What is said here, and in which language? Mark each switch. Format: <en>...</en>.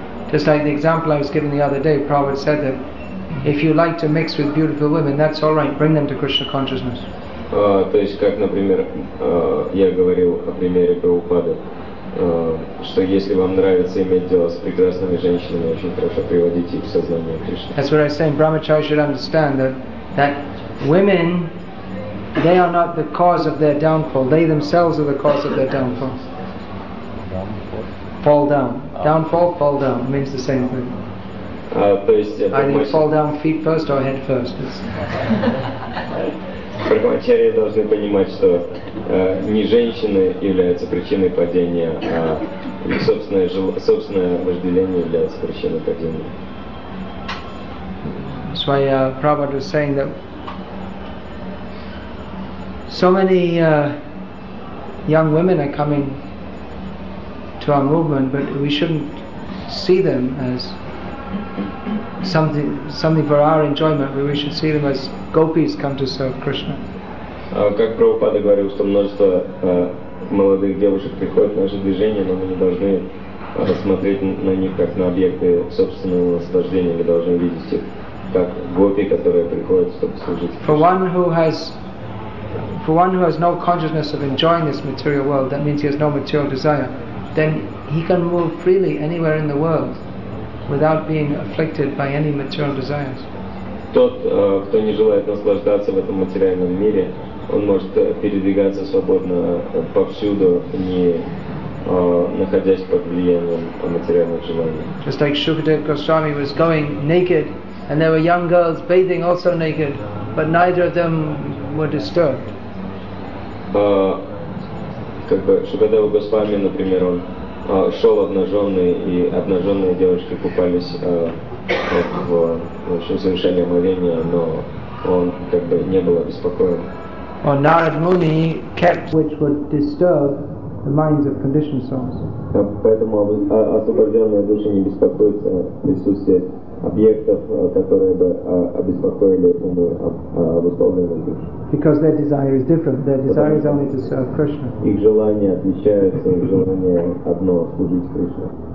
<en>Just like the example I was given the other day, Prabhupada said that if you like to mix with beautiful women, that's all right, bring them to Krishna consciousness.</en> <ru>То есть, как, например, я говорил о примере Прабхупады, что если вам нравится иметь дело с прекрасными женщинами, очень хорошо приводите их в сознание Кришны.</ru> <en>That's what I was saying. Brahmacharya should understand that women, they are not the cause of their downfall. They themselves are the cause of their downfall. Fall down. Downfall, fall down. It means the same thing. Either you fall down feet first or head first.</en> <ru>Прабхачарьи должны понимать, что не женщины являются причиной падения, а их собственное вожделение является причиной падения.</ru> <en>That's why Prabhupada was saying that so many young women are coming to our movement, but we shouldn't see them as something for our enjoyment, but we should see them as gopis come to serve Krishna.</en> <ru>Как Прабхупада говорил, что множество молодых девушек приходят в наше движение, но мы не должны смотреть на них как на объекты собственного наслаждения, мы должны видеть их как гопи, которые приходят, чтобы служить Krishna.</ru> <en>For one who has no consciousness of enjoying this material world, that means he has no material desire, then he can move freely anywhere in the world without being afflicted by any material desires.</en> <ru>Тот, кто не желает наслаждаться в этом материальном мире, он может передвигаться свободно повсюду, не находясь под влиянием материальных желаний.</ru> <en>Just like Shukadev Goswami was going naked, and there were young girls bathing also naked, but neither of them were disturbed.</en> <ru>Как бы Шукадева Госвами, например, он шел обнаженный, и обнаженные девочки купались в совершении омовения, но он как бы не был обеспокоен.</ru> <en>Or Narad Muni kept which would disturb the minds of conditioned souls.</en> <ru>Поэтому освобожденные души не беспокоятся присутствие объектов, которые бы обеспокоили умы обусловленных душ.</ru> <en>Because their desire is different. Their desire is only to serve Krishna.</en> <ru>Их желание отличается, их желание одно — служить Кришне.</ru>